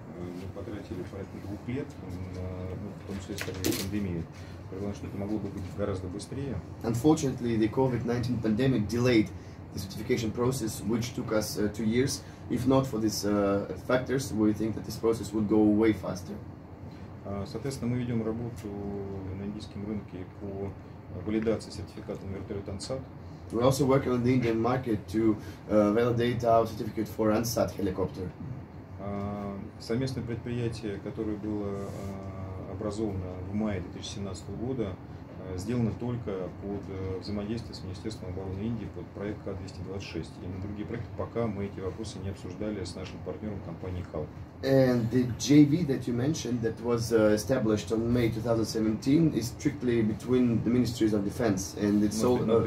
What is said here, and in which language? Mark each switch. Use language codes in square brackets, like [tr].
[ru] Мы потратили порядка 2 лет, в том числе скорее пандемии. Потому что это могло бы быть гораздо быстрее. [en] Unfortunately, the COVID-19 pandemic delayed the certification process, which took us 2 years. If not for these factors, we think that this process would go way faster. [ru] Соответственно, мы ведем работу на индийском рынке по валидации сертификата на вертолет ANSAT. [en] We also work on the Indian market to validate our certificate for ANSAT helicopter. [ru] Совместное предприятие, которое было образовано в мае 2017 года, сделано только под взаимодействие с Министерством обороны Индии под проект К-226. И на другие проекты пока мы эти вопросы не обсуждали с нашим партнером компанией HAL. [en] And the JV that you mentioned that was established on May 2017 is strictly between the ministries of defense, and it's all